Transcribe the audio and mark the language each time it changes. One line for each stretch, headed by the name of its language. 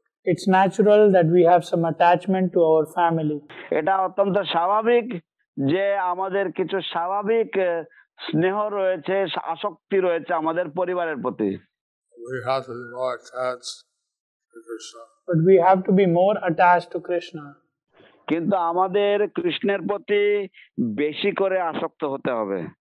English: It's natural that we have some attachment to our family. It's natural that we have some attachment to our family.
Bangla: এটা অত্যন্ত স্বাভাবিক যে আমাদের কিছু স্বাভাবিক স্নেহ রয়েছে আসক্তি রয়েছে আমাদের পরিবারের প্রতি
English: We have to be more attached to Krishna. But we have to be more attached to Krishna.
Bangla: কিন্তু আমাদের কৃষ্ণের প্রতি বেশি করে আসক্ত হতে হবে.